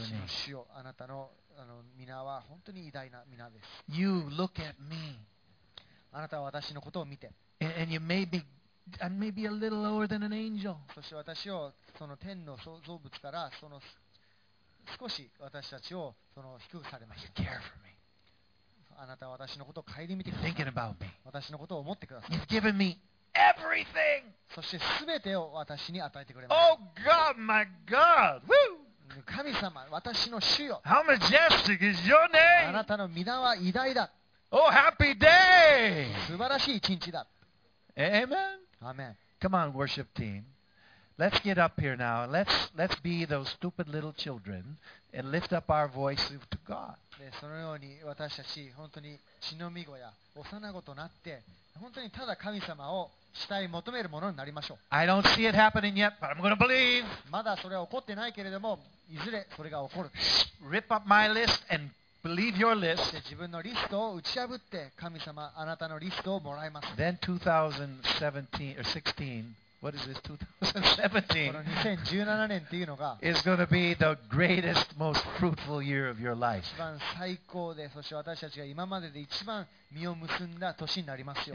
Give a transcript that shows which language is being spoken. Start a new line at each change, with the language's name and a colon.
Japanese: 私の主よ、あなたの名は本当に偉大な名です。
English: You look at me.
Japanese: あなたは私のことを見て。
English: And you may be, and maybe a little lower than an angel.
Japanese: そして私をその天の創造物からその少し私たちをその低くされました。
English: You care for me.
Japanese: あなたは私のことを顧みてください。
English: Thinking about me.
Japanese: 私のことを思ってください。
English: You've given me everything.
Japanese: そして全てを私に与えてくれました。
English: Oh God, my God. Woo!
Japanese: 神様、私の主よ。
English: How majestic is your name?
Japanese: あなたの名は偉大だ。
English: Oh, happy day!
Japanese: 素晴らしい一日だ。
English: Amen. Amen. Come on, worship team. Let's get up here now. Let's be those stupid little children and lift up our voice to God.
Japanese: で、そのように私たち本当に血の御子や幼子となって本当にただ神様を慕い求めるものになりましょう。
English: I don't see it happening yet, but I'm going to believe.
Japanese: まだそれは起こってないけれども、いずれそれが起こる。
English: Rip up my list and believe your list.
Japanese: 自分のリストを打ち破って神様あなたのリストをもらいます。
English: Then 2017 or 16, what is this 2017?
Japanese: 2017年っていうのが
English: is going to be the greatest, most fruitful year of your life.
Japanese: 一番最高で、そして私たちが今までで一番実を結んだ年になりますよ。